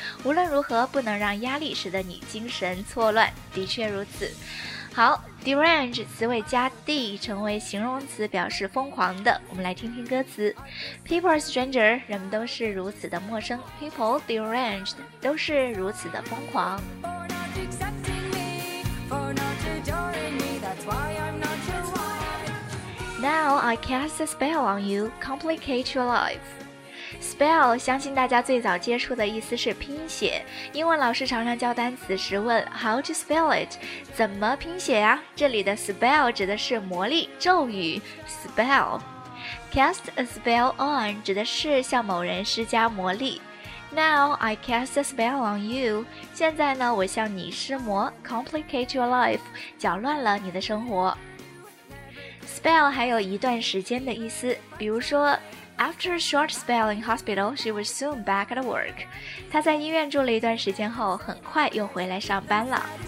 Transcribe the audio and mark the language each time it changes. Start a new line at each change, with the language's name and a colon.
Chinese: 无论如何不能让压力使得你精神错乱。的确如此。好， derange 词尾加 d 成为形容词，表示疯狂的。我们来听听歌词。
English: People are stranger，
Chinese: 人们都是如此的陌生。
English: People deranged，
Chinese: 都是如此的疯狂。
English: For not accepting me， for not adoring me， that's why I'm not your wife。 Now I cast a spell on you， complicate your life。
Chinese: Spell， 相信大家最早接触的意思是拼写。英文老师常常教单词时问
English: How to spell it，
Chinese: 怎么拼写呀？这里的 spell 指的是魔力、咒语。Spell。 Cast a spell on 指的是向某人施加魔力。
English: Now I cast a spell on you，
Chinese: 现在呢我向你施魔。
English: Complicate your life，
Chinese: 搅乱了你的生活。
English: Spell
Chinese: 还有一段时间的意思，比如说
English: After a short spell in hospital, she was soon back at work.
Chinese: 她在医院住了一段时间后，很快又回来上班了。